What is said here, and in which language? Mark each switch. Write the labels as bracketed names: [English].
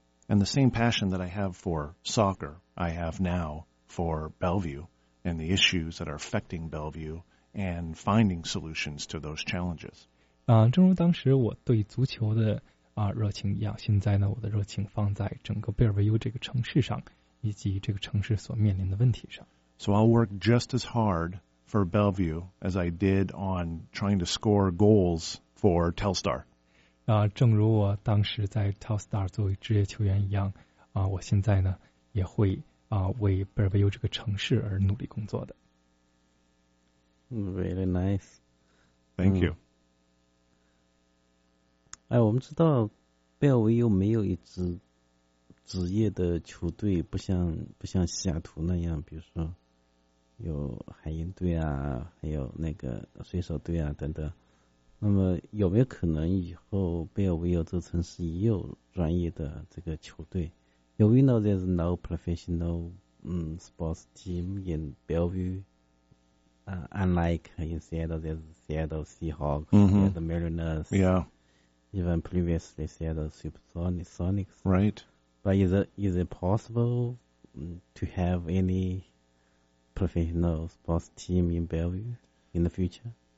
[English] And the same passion that I have for soccer, I have now for Bellevue and the issues that are affecting Bellevue and finding solutions to those challenges. [Chinese] 正如当时我对足球的热情一样，现在呢，我的热情放在整个贝尔维尤这个城市上，以及这个城市所面临的问题上。 [English] So I'll work just as hard for Bellevue as I did on trying to score goals for Telstar. [Chinese] 正如我当时在 Telstar 作为职业球员一样，我现在呢也会为贝尔维尤这个城市而努力工作的。 [English] Really nice. Thank you. [Chinese] 我们知道贝尔维尤没有一支职业的球队，不像西雅图那样，比如说有海鹰队啊，还有那个水手队啊等等。那么有没有可能以后贝尔维尤这城市也有专业的这个球队？ [English] Do we know there's no professional sports team in Bellevue? Unlike in Seattle, there's Seattle Seahawks, the Mariners. Yeah. Even previously, Seattle Supersonics. Right. But is it possible to have any professional sports team in Bellevue in the future?